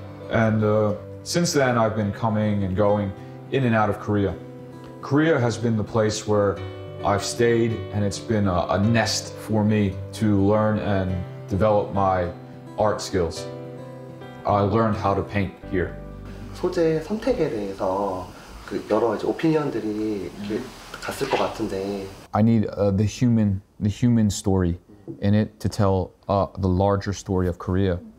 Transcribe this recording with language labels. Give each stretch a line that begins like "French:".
English: And since then, I've been coming and going in and out of Korea. Korea has been the place where I've stayed, and it's been a nest for me to learn and develop my art skills. I learned how to paint here.
Korean: 소재 선택에 대해서 그 여러 이제 오피니언들이 갔을 것 같은데.
English: I need the human story in it to tell the larger story of Korea.